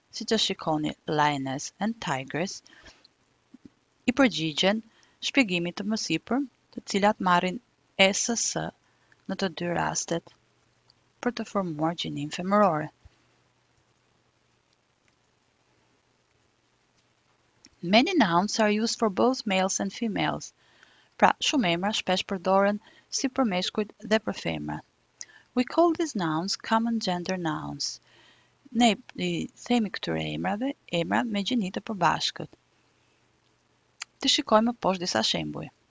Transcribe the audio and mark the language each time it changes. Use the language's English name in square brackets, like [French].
[Albanian] Si të shikoni, [English] lioness and tigress [Albanian] I përgjigjen shpjegimit të mësipër, të cilat marrin ss në të dy rastet për të formuar gjinin femërore. [English] Many nouns are used for both males and females. [Albanian] Pra, shumë emra shpesh përdoren si për meshkujt dhe për femra. [English] We call these nouns common gender nouns. [Albanian] Ne I themi këtyre emrave emra me gjini të përbashkët. [English] Të shikojmë poshtë disa shembuj.